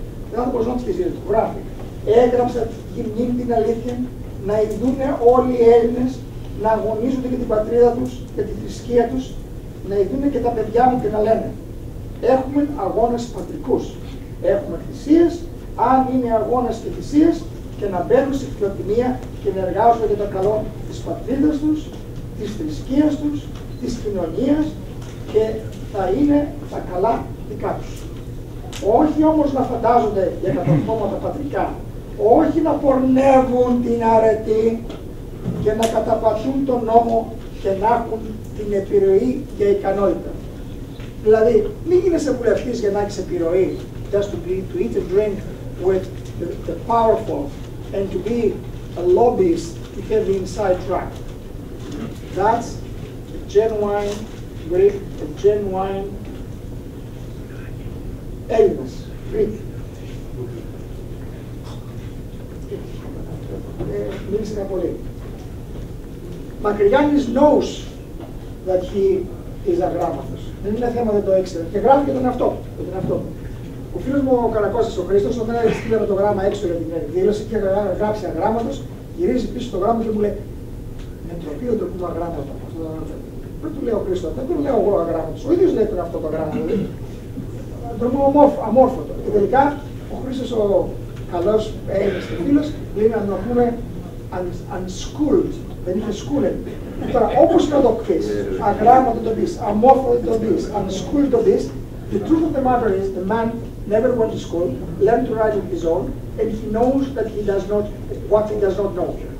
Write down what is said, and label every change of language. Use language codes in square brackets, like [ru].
[el] Δεν θα το προσδόν στη ζήτηση του, γράφει. Έγραψε τη μνήμη την αλήθεια, να ειδούν όλοι οι Έλληνες, να αγωνίζονται για την πατρίδα τους και τη θρησκεία τους, να ειδούν και τα παιδιά μου και να λένε, έχουμε αγώνες πατρικούς, έχουμε θυσίες, αν είναι αγώνες και θυσίες, και να μπαίνουν στη φιλοτιμία και να εργάζονται για το καλό της πατρίδας τους, της θρησκείας τους, της κοινωνίας και θα είναι τα καλά δικά τους. Όχι όμως να φαντάζονται για κατορθώματα πατρικά, όχι να πορνεύουν την αρετή και να καταπατούν τον νόμο και να έχουν την επιρροή και ικανότητα. [en] Δηλαδή, μην γίνεσαι βουλευτής για να έχεις επιρροή, just to be, to eat and drink with the powerful and to be a lobbyist to have the inside track. That's a genuine Greek, a genuine Έλληνας, Greek. [el] Μίλησε ένα πολύ. Μακρυγιάννης knows that he is αγράμματος. Δεν είναι θέμα, δεν το ήξερε. Και γράφει για τον αυτό. Ο φίλος μου ο Καλακώστας, ο Χρήστος, όταν έχει στείλει το γράμμα έξω για την εκδήλωση και γράψει αγράμματος, γυρίζει πίσω το γράμμα και μου λέει: με ντροπή δεν το πούμε αγράμματο. Δεν του λέω Χρήστο, δεν του λέω εγώ αγράμματος. Ο ίδιος λέει τον αυτό το γράμμα. Το πούμε αμόρφωτο. Και τελικά ο Χρήστος, ο καλός Έλληνας και φίλος, λέει να το πούμε unschooled. Δεν είχε σκούλεν. [en] Τώρα, όπως και να το πεις, αγράμματο το πεις, αμόρφωτο το πεις, unschooled το πεις, the truth of the matter is the man never went to school, learned to write on his own, and he knows that he does not, what he does not know.